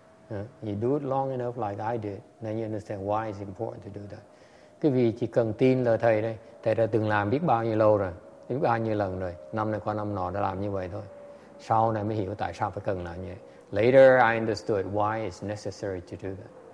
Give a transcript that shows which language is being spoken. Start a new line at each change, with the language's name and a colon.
English: You do it long enough like I did, then you understand why it's important to do that.
Vietnamese: Cái vì chỉ cần tin lời thầy đây, thầy đã từng làm biết bao nhiêu lâu rồi, biết bao nhiêu lần rồi, năm này qua năm nọ đã làm như vậy thôi. Sau này mới hiểu tại sao phải cần làm như vậy.
English: Later, I understood why it's necessary to do that.